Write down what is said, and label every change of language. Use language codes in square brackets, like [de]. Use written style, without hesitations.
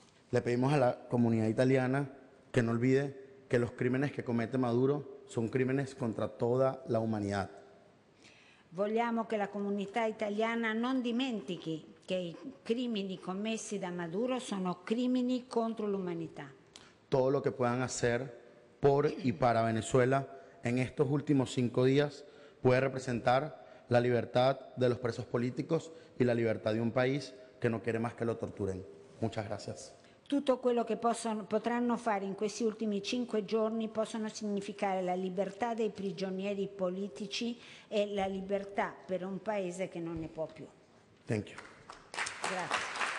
[es] Le pedimos a la comunidad italiana que no olvide que los crímenes que comete Maduro son crímenes contra toda la humanidad. [it] Vogliamo che la comunità italiana non dimentichi che i crimini commessi da Maduro sono crimini contro l'umanità. [es] Todo lo que puedan hacer por y para Venezuela en estos últimos 5 días puede representar la libertad de los presos políticos y la libertad de un país que no quiere más que lo torturen. Muchas gracias. [it] Tutto quello che potranno fare in questi ultimi 5 giorni possono significare la libertà dei prigionieri politici e la libertà per un paese che non ne può più. [en] Thank you. [it] Grazie.